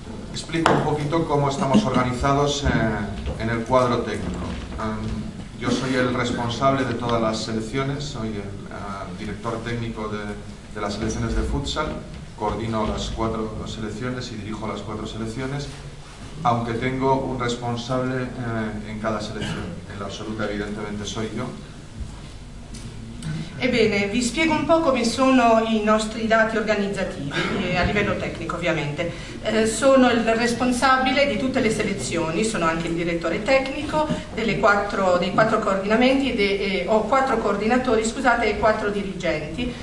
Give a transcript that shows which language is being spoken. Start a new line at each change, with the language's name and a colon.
Italian: Explico un pochito come siamo organizzati nel quadro tecnico. Io sono il responsabile di tutte le selezioni, sono il direttore tecnico delle selezioni di futsal, coordino le quattro selezioni e dirijo le quattro selezioni.
Spanish: Aunque tengo un responsable en cada selección, en la absoluta evidentemente soy yo.
Italian: Ebbene, vi spiego un po' come sono i nostri dati organizzativi, a livello tecnico ovviamente. Sono il responsabile di tutte le selezioni, sono anche il direttore tecnico dei quattro coordinamenti, ho quattro coordinatori, scusate, e quattro dirigenti.